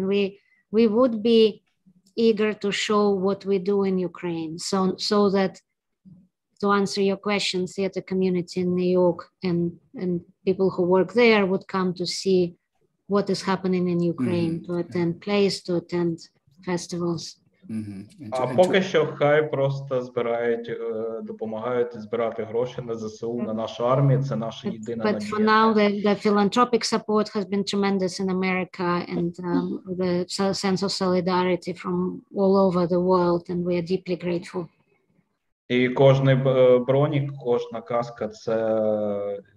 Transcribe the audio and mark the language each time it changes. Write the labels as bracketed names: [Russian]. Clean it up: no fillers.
[English] And we would be eager to show what we do in Ukraine. So that, to answer your question, theater community in New York and people who work there would come to see what is happening in Ukraine, mm-hmm. to attend plays, to attend festivals. Mm-hmm. [Ukrainian] А поки що хай просто допомагають збирати гроші на ЗСУ, mm-hmm. на нашу армію, це наша єдина надія. [English] But for now, the philanthropic support has been tremendous in America and the sense of solidarity from all over the world, and we are deeply grateful. [Ukrainian] І кожний бронік, кожна каска – це...